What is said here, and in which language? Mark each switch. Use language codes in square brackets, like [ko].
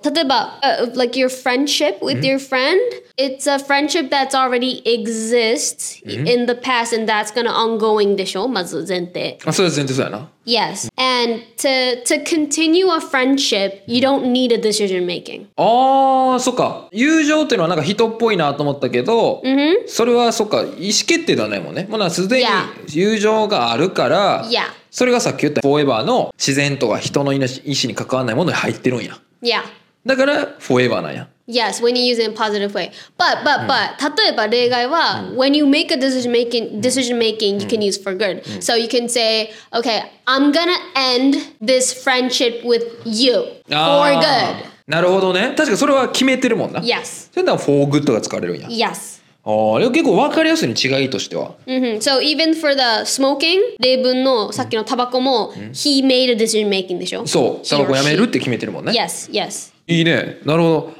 [ja] 例えば、 [en] like your friendship with your friend, it's a friendship that's already exists in the past and that's gonna ongoing [ja] でしょ？まず前提。あ、それ前提そうやな。 [en] Yes. And to continue a friendship, you don't need a decision making. [ja] ああ、そっか。友情っていうのはなんか人っぽいなと思ったけど、それはそっか、意思決定ではないもんね。もうなんかすでに友情があるから、 [en] yeah. [ja] それがさっき言った forever の自然とか人の意思に関わらないものに入ってるんや。 [en] Yeah. [ja] だから forever なんや。 [en] Yes, when you use it in a positive way. But, [ja] 例えば例外は、 [en] when you make a decision making, you can use for good. So you can say, okay, I'm gonna end this friendship with you for good. [ja] なるほどね。確かそれは決めてるもんな。 [en] Yes. [ja] それでも for good が使われるんや。 [en] Yes. [ja] ああ、結構分かりやすいに違いとしては。 [en] So even for the smoking, [ja] 例文のさっきのタバコも、 [en] he made a decision making [ja] でしょ？そう、タバコやめるって決めてるもんね。 [en] Yes, yes. [ja] いいね。なるほど。